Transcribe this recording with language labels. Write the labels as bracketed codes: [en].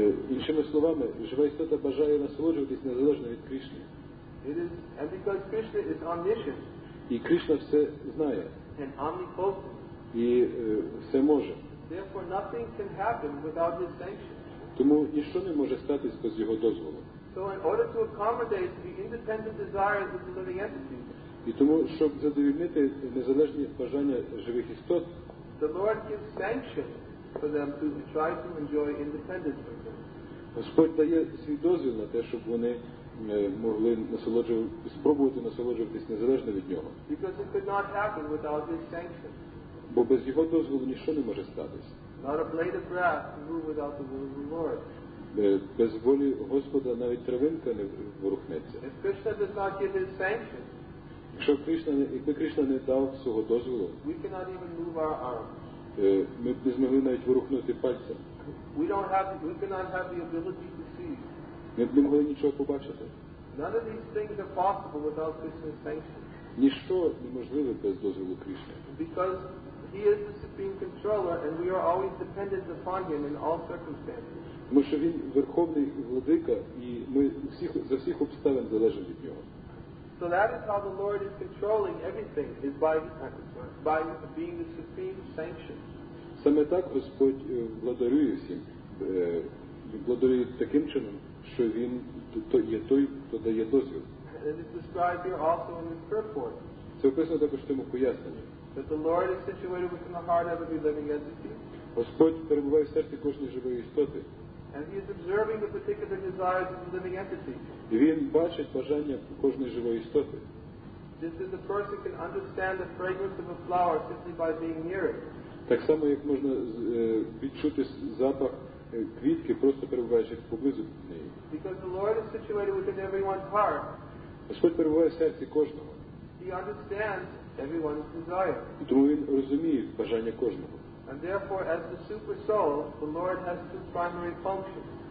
[uk] Іншими словами, жива істота бажає насолоджуватись незалежно від Кришни. [en] It is, and because Krishna is omniscient. [uk] І Кришна все знає. [en] And omnipotent. [uk] І все може. [en] Therefore, nothing can happen without his sanction. [uk] Тому нічого не може статись без його дозволу. [en] So in order to accommodate the independent desires of the living entities. [uk] І тому, щоб задовільнити незалежні бажання живих істот, [en] the Lord gives sanction for them to try to enjoy independence from him. [uk] Господь дає свій дозвіл на те, щоб вони могли спробувати насолоджуватись незалежно від нього. [en] Because it could not happen without his sanction. [uk] Бо без його дозволу нічого не може статись. [en] Not a blade of grass can move without the will of the Lord. [uk] Без волі Господа навіть травинка не ворухнеться. [en] If Krishna does not give his sanction, [uk] якщо Кришна, якби Кришна не дав свого дозволу, [en] we cannot even move our arms. [uk] Ми б не змогли навіть ворухнути пальцем. [en] We don't have, we cannot have the ability to see. [uk] Ми б не могли нічого побачити. [en] None of these things are possible without Krishna's sanction. [uk] Ніщо неможливе без дозволу Кришни. [en] Because he is the supreme controller and we are always dependent upon him in all circumstances. [uk] Тому що він верховний владика і ми всіх, за всіх обставин залежимо від нього. [en] So that is how the Lord is controlling everything, is by being the supreme sanction. [uk] Саме так Господь владарює всім. Владарює таким чином, що він є той, хто дає дозвіл. [en] And it is described here also in this purport. [uk] Це описано також в цьому поясненні. [en] That the Lord is situated within the heart of every living entity. [uk] Господь перебуває в серці кожної живої істоти. [en] And he is observing the particular desires of the living entity. [uk] І він бачить бажання кожної живої істоти. [en] Just as a person can understand the fragrance of a flower simply by being near it. [uk] Так само, як можна відчути запах квітки, просто перебуваючи поблизу від неї. [en] Because the Lord is situated within everyone's heart. [uk] Господь перебуває в серці кожного. [en] He understands everyone's desire. [uk] І тому він розуміє бажання кожного. [en] And therefore, as the super soul, the Lord has two primary functions.